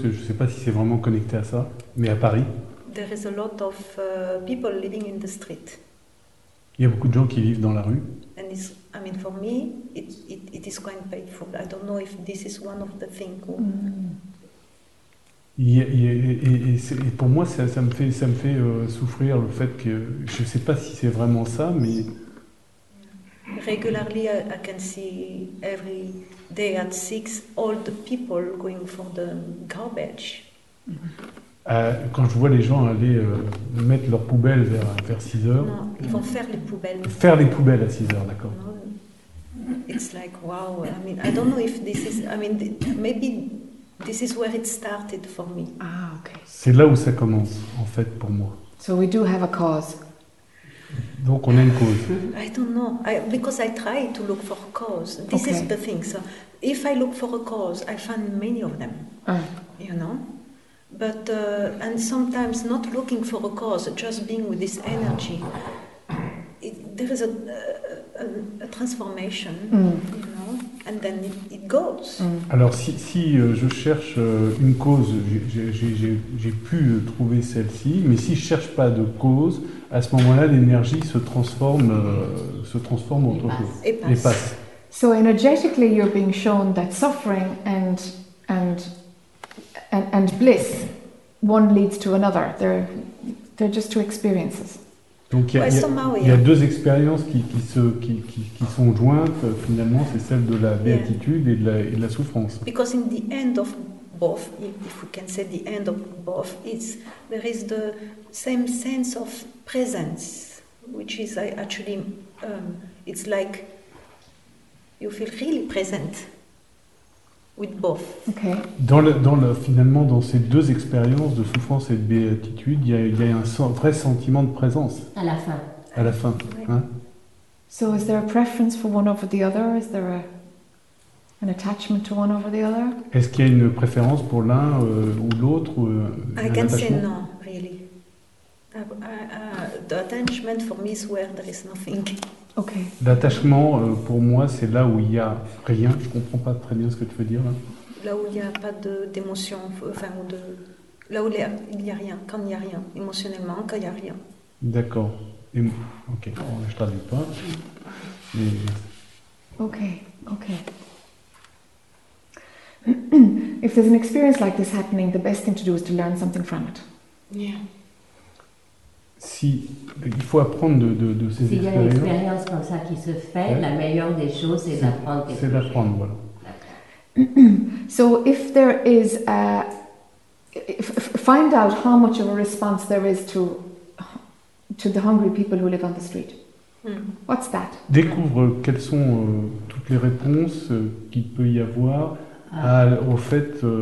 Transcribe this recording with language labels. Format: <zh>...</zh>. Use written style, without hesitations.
<fr>Je ne sais pas si c'est vraiment connecté à ça, mais à Paris.</fr> <en>There is a lot of people living in the street.</en> <fr>Il y a beaucoup de gens qui vivent dans la rue.</fr> <en>And it's, I mean, for me, it is quite painful. I don't know if this is one of the things.</en> <fr>Et pour moi, ça me fait souffrir le fait que je ne sais pas si c'est vraiment ça, mais.</fr> <en>Regularly, I can see every day at 6 old people going for the garbage.</en> <fr>Quand je vois les gens aller mettre leurs poubelles vers 6 heures. Non, ils vont faire les poubelles. Faire les poubelles à 6 heures, d'accord.</fr> <en>It's like wow. I mean, I don't know if this is. I mean, maybe. This is where it started for me.</en> <fr>Ah, ok. C'est là où ça commence, en fait, pour moi.</fr> <en>So we do have a cause.</en> <fr>Donc on a une cause.</fr> <en>I don't know. Because I try to look for a cause. This is the thing. So if I look for a cause, I find many of them. You know? But, and sometimes not looking for a cause, just being with this energy, there is a transformation, you know? And then it goes.</en> <fr>Alors si je cherche une cause, j'ai pu trouver celle-ci, mais si je cherche pas de cause, à ce moment-là l'énergie se transforme autre chose. Et passe.</fr> <en>So energetically you're being shown that suffering and bliss, one leads to another. They're just two experiences.</en> <fr>Donc il y a deux expériences qui sont jointes, finalement, c'est celle de la béatitude et de la souffrance.</fr> <en>Because in the end of both, if we can say the end of both, it's, there is the same sense of presence, which is actually, it's like you feel really present with both. Okay.</en> <fr>Finalement, dans ces deux expériences de souffrance et de béatitude, il y a un vrai sentiment de présence. À la fin. À la fin. Right. Hein?</fr> <en>So is there a preference for one over the other? Is there an attachment to one over the other?</en> <fr>Est-ce qu'il y a une préférence pour l'un ou l'autre?</fr> <en>I can say no, really. attachment for me is where there is nothing. Okay.</en> <fr>L'attachement pour moi, c'est là où il y a rien. Je comprends pas très bien ce que tu veux dire. Là où il y a pas de d'émotion, enfin de là où il y a rien, quand il y a rien, émotionnellement, quand il y a rien. D'accord. Ok. Bon, je traduis pas.</fr> <en>Okay. If there's an experience like this happening, the best thing to do is to learn something from it. Yeah.</en> <fr>Si, il faut apprendre de ces si expériences. S'il y a une expérience comme ça qui se fait, ouais. La meilleure des choses, c'est d'apprendre quelque chose. C'est d'apprendre, voilà.</fr> <en>So if there is a... find out how much of a response there is to the hungry people who live on the street. What's that?</en> <fr>Découvre quelles sont toutes les réponses qu'il peut y avoir au fait</fr>